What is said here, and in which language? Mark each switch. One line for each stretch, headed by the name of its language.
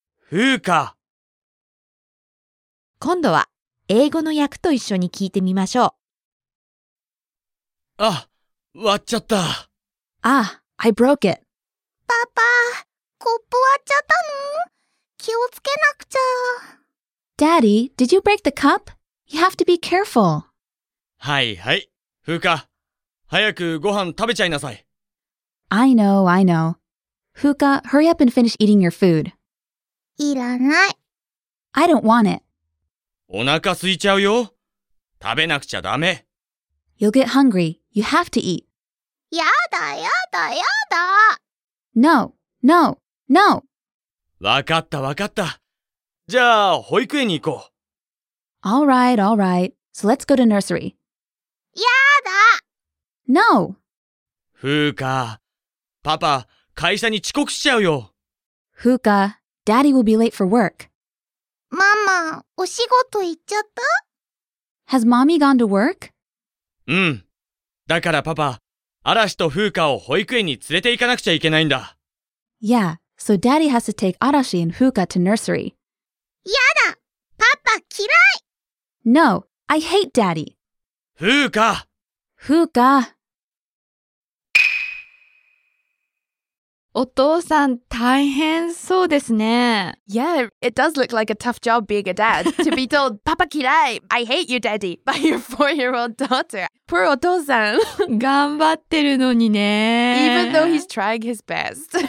Japanese: 風花。今度は英語の訳と一緒に聞いてみましょう。あ、割っちゃった。
English: あ、I broke it。
Japanese: パパ、コップ割っちゃったの？気をつけなくちゃ。
English: Daddy, did you break the cup? You have to be careful。
Japanese: はいはい、風花、早くご飯食べちゃいなさい。
English: I know, I know. Fuka, hurry up and finish eating your food.
Japanese: いらない。
English: I don't want it.
Japanese: お腹空いちゃうよ。食べなくちゃダメ。
English: You'll get hungry. You have to eat.
Japanese: やだやだやだ。
English: No, no, no.
Japanese: わかったわかった。じゃあ保育園に行こう。
English: All right, all right. So let's go to nursery.
Japanese: やだ。
English: No.
Japanese: Fuka, Papa. 会社に遅刻しちゃうよ。
English: Fuka, Daddy will be late for work.
Japanese: ママ、お仕事行っちゃった？
English: Has Mommy gone to work?
Japanese: うん。だからパパ、嵐と Fuka を保育園に連れて行かなくちゃいけないんだ。
English: Yeah, so Daddy has to take 嵐 and Fuka to nursery.
Japanese: やだ、パパ嫌い。
English: No, I hate Daddy.
Japanese: Fuka! Fuka! お父さん大変そうですね。
English: Yeah, it does look like a tough job being a dad. To be told, Papa
Japanese: 嫌い
English: I hate you, Daddy, by your four-year-old daughter. Poor お父さん。
Japanese: 頑張ってるのにね。
English: Even though he's trying his best.